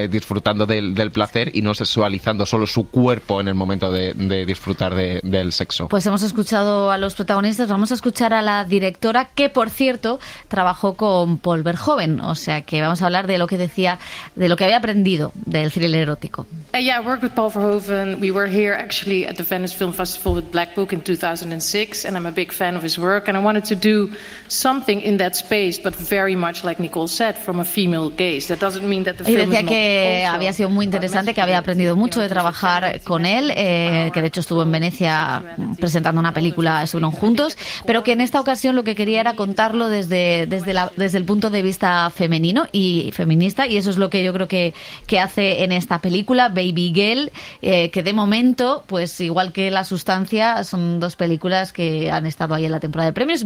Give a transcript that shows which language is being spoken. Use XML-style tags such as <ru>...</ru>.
<es>Disfrutando del placer y no sexualizando solo su cuerpo en el momento de disfrutar del sexo. Pues hemos escuchado a los protagonistas, vamos a escuchar a la directora, que por cierto trabajó con Paul Verhoeven, o sea que vamos a hablar de lo que decía, de lo que había aprendido del thriller erótico.</es> <en>Yeah, I worked with Paul Verhoeven. We were here actually at the Venice Film Festival with Black Book in 2006, and I'm a big fan of his work, and I wanted to do something in that space, but very much like Nicole said, from a female gaze. That doesn't mean that the film.</en> <es>Y decía que había sido muy interesante, que había aprendido mucho de trabajar con él, que de hecho estuvo en Venecia presentando una película, estuvieron juntos, pero que en esta ocasión lo que quería era contarlo desde el punto de vista femenino y feminista, y eso es lo que yo creo que hace en esta película, Baby Girl, que de momento, pues igual que La Sustancia, son dos películas que han estado ahí en la temporada de premios.</es>